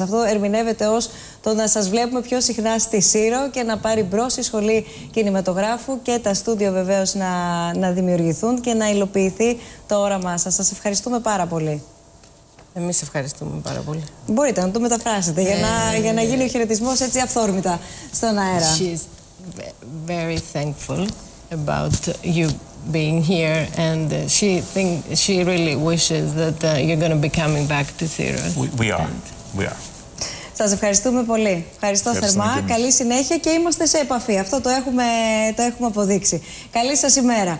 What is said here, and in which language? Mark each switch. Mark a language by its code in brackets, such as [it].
[el] Αυτό ερμηνεύεται ως το να σας βλέπουμε πιο συχνά στη Σύρο και να πάρει μπρος η σχολή κινηματογράφου και τα στούντιο βεβαίως να δημιουργηθούν και να υλοποιηθεί το όραμά σας. Σας ευχαριστούμε πάρα πολύ. Εμείς ευχαριστούμε πάρα πολύ. Μπορείτε να το μεταφράσετε για να γίνει ο χαιρετισμός έτσι αυθόρμητα στον αέρα. [en] She's very thankful about you being here and she really wishes that you're going to be coming back to theater. We are. [el] Σας ευχαριστούμε πολύ. Ευχαριστώ θερμά. Καλή συνέχεια και είμαστε σε επαφή. Αυτό το έχουμε αποδείξει. Καλή σας ημέρα.